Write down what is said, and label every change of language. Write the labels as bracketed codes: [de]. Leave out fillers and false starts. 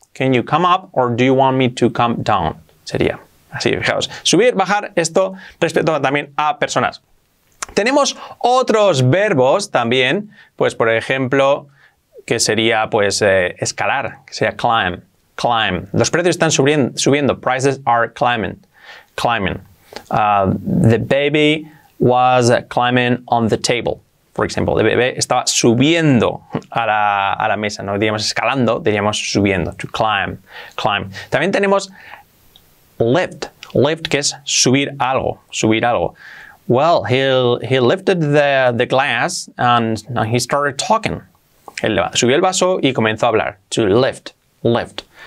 [en] Can you come up or do you want me to come down? [es] Sería así, fijaos. Subir, bajar, esto respecto también a personas. Tenemos otros verbos también, pues por ejemplo, que sería pues escalar, que sería climb. Climb. Los precios están subiendo. [en] Prices are climbing. Climbing. The baby was climbing on the table, for example. [es] El bebé estaba subiendo a la mesa. No diríamos escalando, diríamos subiendo. [en] To climb. Climb. [es] También tenemos lift. Lift, que es subir algo. Subir algo. [en] Well, he lifted the glass and he started talking. [es] Él subió el vaso y comenzó a hablar. [en] To lift. Lift.